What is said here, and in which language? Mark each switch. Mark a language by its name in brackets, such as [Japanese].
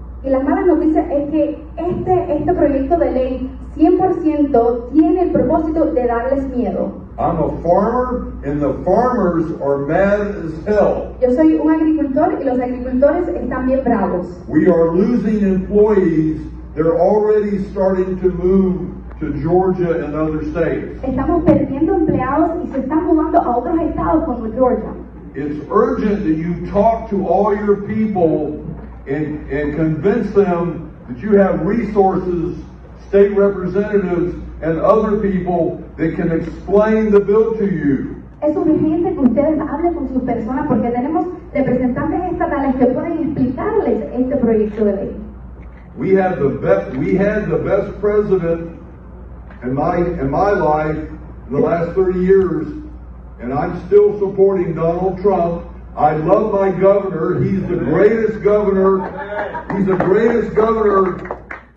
[Spanish] Y las malas noticias es que este proyecto de ley 100% tiene el propósito de darles miedo. [English] I'm a farmer and the farmers are mad as hell. [Spanish] Yo soy un agricultor y los agricultores están bien bravos. [English] We are losing employees. They're already starting to move to Georgia and other states. [Spanish] Estamos perdiendo empleados y se están mudando a otros estados como Georgia. [English] It's urgent that you talk to all your people and convince them that you have resources, state representatives, and other people that can explain the bill to you. [Spanish] Es urgente que ustedes hablen con sus personas porque tenemos representantes estatales que pueden explicarles este proyecto de ley. [English] We had the best president in my life in the last 30 years, and I'm still supporting Donald Trump. I love my governor. He's the greatest governor. He's the greatest governor.